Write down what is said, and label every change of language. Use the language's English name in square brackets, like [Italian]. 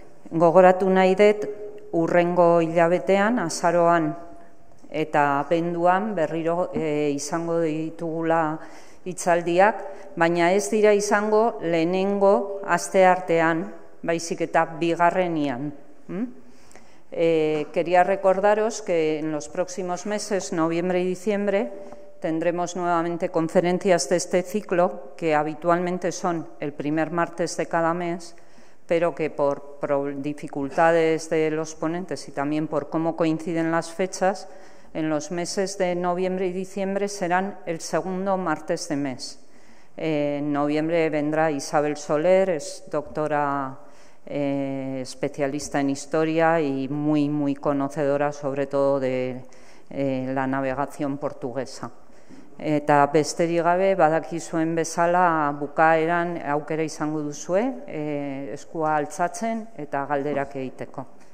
[Basque] Gogoratu nahi dut urrengo hilabetean azaroan eta abenduan berriro izango ditugula hitzaldiak, baina ez dira izango lehenengo aste artean, baizik eta bigarrenian. [Spanish] Quería recordaros que en los próximos meses, noviembre y diciembre, tendremos nuevamente conferencias de este ciclo, que habitualmente son el primer martes de cada mes, pero que por dificultades de los ponentes y también por cómo coinciden las fechas, en los meses de noviembre y diciembre serán el segundo martes de mes. En noviembre vendrá Isabel Soler, es doctora especialista en historia y muy, muy conocedora, sobre todo de la navegación portuguesa. [Basque] Eta besterik gabe, badakizuen bezala, bukaeran aukera izango duzue, eskua altzatzen eta galderak egiteko.